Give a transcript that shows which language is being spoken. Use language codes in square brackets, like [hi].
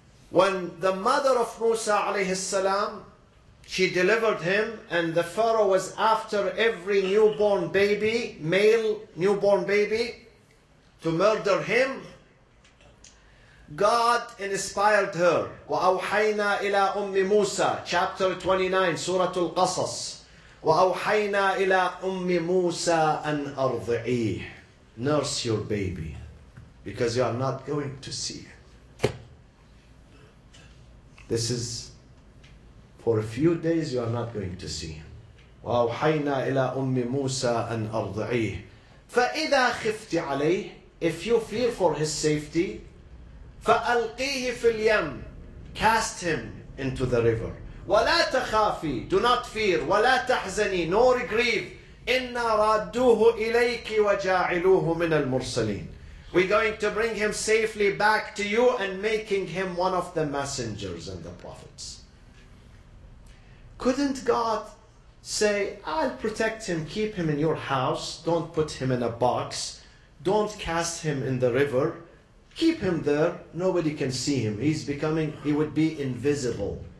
[en] When the mother of Musa alayhi salam, she delivered him, and the Pharaoh was after every newborn baby, male newborn baby, to murder him. God inspired her. [ar] وَأَوْحَيْنَا إِلَىٰ أُمِّ مُوسَىٰ [en] Chapter 29, Surah Al-Qasas. [ar] وَأَوْحَيْنَا إِلَىٰ أُمِّ مُوسَىٰ أَنْ أَرْضِعِيهِ [en] Nurse your baby, because you are not going to see it. This is for a few days you are not going to see him. [ar] وأوحينا إلى أم موسى أن أرضعيه. فإذا خفت عليه, [en] if you fear for his safety, [ar] فألقيه في اليم, [en] cast him into the river. [ar] ولا تخافي, [en] do not fear, [ar] ولا تحزني, [en] nor grieve, [ar] إنا رادوه إليك وجاعلوه من المرسلين. [en] We're going to bring him safely back to you and making him one of the messengers and the prophets. Couldn't God say, I'll protect him, keep him in your house, don't put him in a box, don't cast him in the river, keep him there, nobody can see him, he would be invisible.